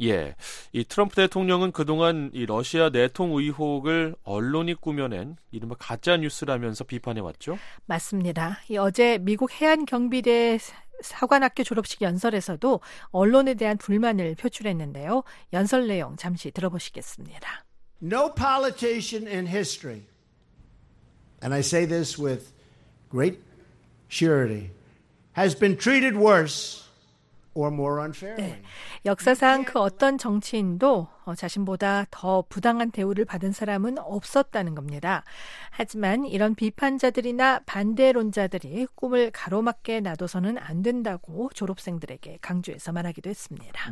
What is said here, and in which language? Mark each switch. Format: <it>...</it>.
<ko>예, 이 트럼프 대통령은 그동안 이 러시아 내통 의혹을 언론이 꾸며낸 이른바 가짜뉴스라면서 비판해왔죠? 맞습니다. 이 어제 미국 해안경비대 사관학교 졸업식 연설에서도 언론에 대한 불만을 표출했는데요. 연설 내용 잠시 들어보시겠습니다.</ko> <en>No politician in history, and I say this with great surety, has been treated worse or more unfairly.</en> <ko>네, 역사상 그 어떤 정치인도 자신보다 더 부당한 대우를 받은 사람은 없었다는 겁니다. 하지만 이런 비판자들이나 반대론자들이 꿈을 가로막게 놔둬서는 안 된다고 졸업생들에게 강조해서 말하기도 했습니다.</ko>